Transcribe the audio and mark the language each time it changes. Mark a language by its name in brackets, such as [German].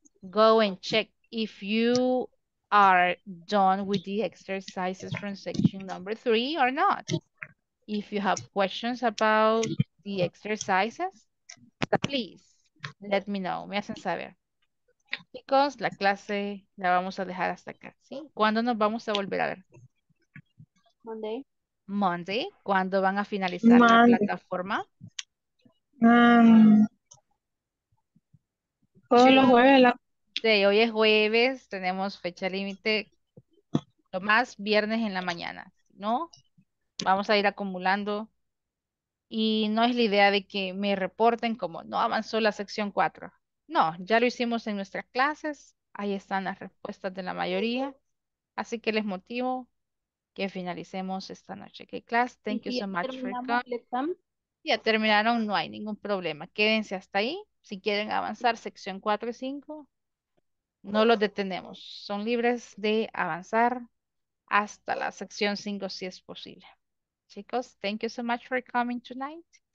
[English] Go and check if you are done with the exercises from section number 3 or not. If you have questions about the exercises, please let me know. [Spanish] Me hacen saber. Chicos, la clase la vamos a dejar hasta acá, ¿sí? ¿Cuándo nos vamos a volver a ver? [English] Monday. Monday. [Spanish] ¿Cuándo van a finalizar Monday. La plataforma? Todos los jueves. Sí, hoy es jueves, tenemos fecha límite. Lo más viernes en la mañana, ¿no? Vamos a ir acumulando. Y no es la idea de que me reporten como no avanzó la sección 4. No, ya lo hicimos en nuestras clases. Ahí están las respuestas de la mayoría. Así que les motivo que finalicemos esta noche. ¿Qué clase? [English] Thank you so much for coming. [Spanish] Ya terminaron, no hay ningún problema. Quédense hasta ahí. Si quieren avanzar sección 4 y 5, no los detenemos. Son libres de avanzar hasta la sección 5 si es posible. Chicos, [English] thank you so much for coming tonight.